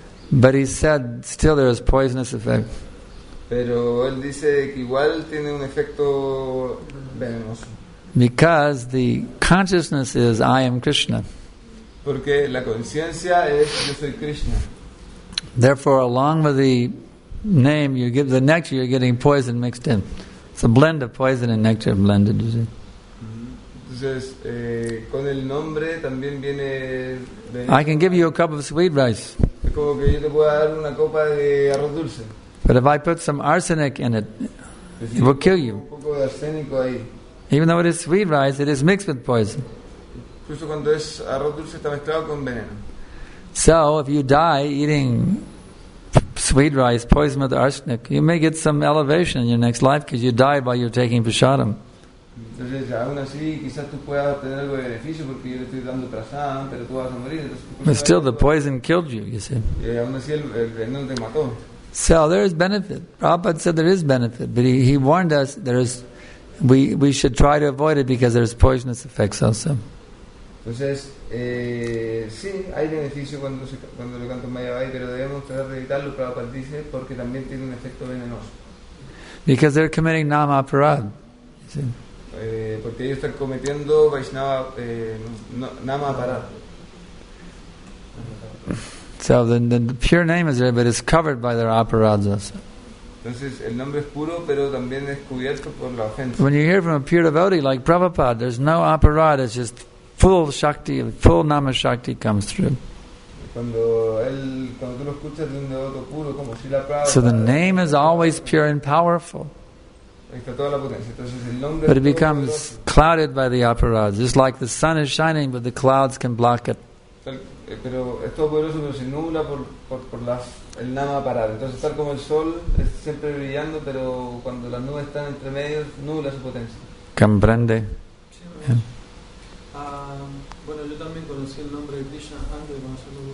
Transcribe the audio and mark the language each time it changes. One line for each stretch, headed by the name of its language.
English: But he said, still there is poisonous effect.
Spanish: Pero él dice que igual tiene un efecto venenoso.
English: Because the consciousness is, I am Krishna.
Spanish: Porque la conciencia es, yo soy Krishna.
English: Therefore, along with the name, you give the nectar, you're getting poison mixed in. It's a blend of poison and nectar blended, you see.
Spanish: Entonces, con el nombre también viene veneno.
English: I can give you a cup of sweet rice.
Spanish: Como que yo te puedo dar una copa de arroz dulce.
English: But if I put some arsenic in it, it will kill you.
Spanish: Un poco de arsénico ahí.
English: Even though it is sweet rice, it is mixed with poison.
Spanish: Incluso cuando es arroz dulce, está mezclado con veneno.
English: So, if you die eating sweet rice poisoned with arsenic, you may get some elevation in your next life because you die while you're taking prasadam.
Spanish: Entonces, aún así, quizás tú puedas tener algo de beneficio porque yo le estoy dando prasadam, pero tú vas a morir.
English: But still, the poison killed you, you see.
Spanish: Y aún así, el veneno te mató.
English: So, there is benefit. Prabhupada said there is benefit, but he warned us there is. We should try to avoid it because there's poisonous effects also.
Spanish: Entonces, sí, hay beneficio cuando lo canto Mayavai, pero debemos tratar de evitarlo, Prabhupada dice, porque también tiene un efecto venenoso.
English: Because they're committing Nama Aparad.
Spanish: Porque ellos están cometiendo Vaishnava Nama Aparad.
English: So the pure name is there, but it's covered by their Aparads also.
Spanish: Entonces, el nombre es puro, pero también es cubierto por la ofensa.
English: When you hear from a pure devotee like Prabhupada, there's no aparad, it's just full shakti, full nama shakti comes through. So the name is always pure and powerful. But it becomes clouded by the aparad, just like the sun is shining, but the clouds can block it.
Spanish: Pero es todo poderoso, pero se nubla por el nama parar. Entonces, tal como el sol es siempre brillando, pero cuando las nubes están entre medios, nubla su potencia. Comprende. Sí, yeah. Bueno, yo también conocí el nombre de Krishna antes de conocerlo